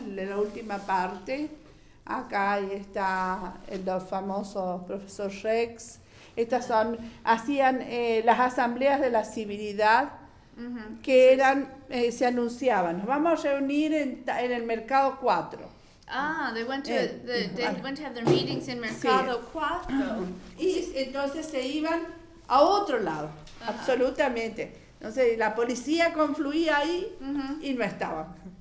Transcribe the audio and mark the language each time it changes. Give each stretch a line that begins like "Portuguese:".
Spanish: La última parte, acá ahí está el famoso profesor Rex. Estas son, hacían las asambleas de la civilidad, que eran, se anunciaban. Nos vamos a reunir en el Mercado 4.
English: Ah, they went to they went to have their meetings in Mercado 4.
Spanish: Sí. Y entonces se iban a otro lado, uh-huh, absolutamente. Entonces la policía confluía ahí, uh-huh, y no estaba.